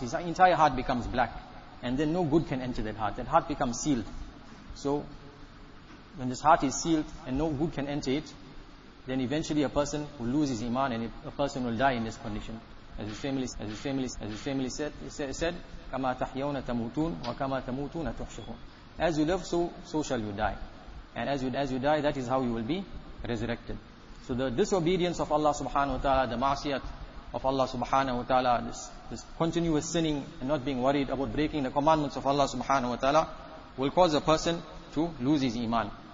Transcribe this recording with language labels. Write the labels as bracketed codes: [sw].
[en] His entire heart becomes black. And then no good can enter that heart. That heart becomes sealed. So when this heart is sealed and no good can enter it, then eventually a person will lose his Iman and a person will die in this condition. As his family said, [ar] كَمَا تَحْيَوْنَ تَمُوتُونَ وَكَمَا تَمُوتُونَ تُحْشَهُونَ. [en] As you live, so shall you die. And as you die, that is how you will be resurrected. So the disobedience of Allah subhanahu wa ta'ala, the ma'asiyat of Allah subhanahu wa ta'ala, this continuous sinning and not being worried about breaking the commandments of Allah subhanahu wa ta'ala, will cause a person to lose his Iman.